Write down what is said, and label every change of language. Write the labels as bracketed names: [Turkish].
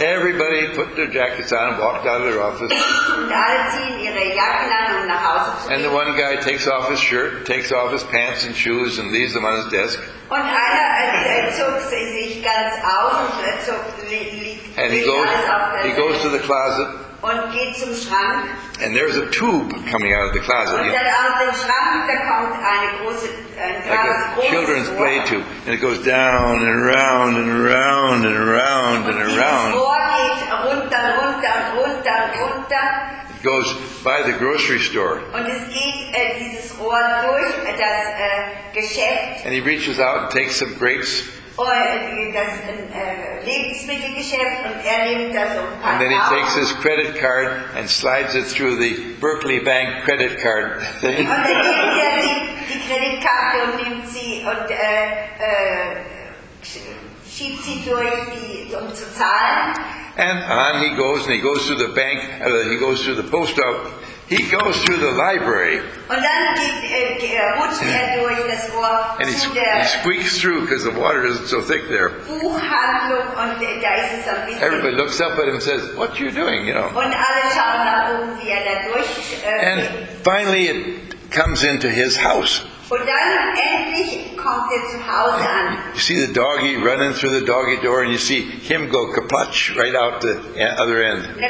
[English] Everybody put their jackets on and walked out of their office. [German] Und alle ziehen ihre Jacken an, um nach Hause zu gehen. [English] And the one guy takes off his shirt, takes off his pants and shoes and leaves them on his desk. [German] Und einer zog sich ganz aus und [English] he goes to the closet. [German] Und geht zum Schrank. [English] And there's a tube coming out of the closet. [German] Und dann aus dem Schrank, da kommt eine große, [English] like a children's play tube. And it goes down and around and around and around [German] und [English] and around. [German] Rohr geht runter, runter, runter, runter. [English] It goes by the grocery store. [German] Und es geht dieses Rohr durch das Geschäft. [English] And he reaches out and takes some grapes. And then he takes his credit card and slides it through the Berkeley Bank credit card thing. [German] Und dann nimmt er die Kreditkarte und nimmt sie und schiebt sie durch, um zu zahlen. [English] And on he goes, and he goes through the bank, he goes through the post office. He goes through the library. [German] Und dann [English] and he squeaks through because the water isn't so thick there. [German] Buchhandlung und da ist es ein bisschen. [English] Everybody looks up at him and says, what are you doing? You know. [German] Und alle schauen nach oben, wie er da durch. [English] And finally it comes into his house. [German] Und dann endlich kommt er zu Hause an. [English] You see the doggy running through the doggy door and you see him go kaputsch right out the other end.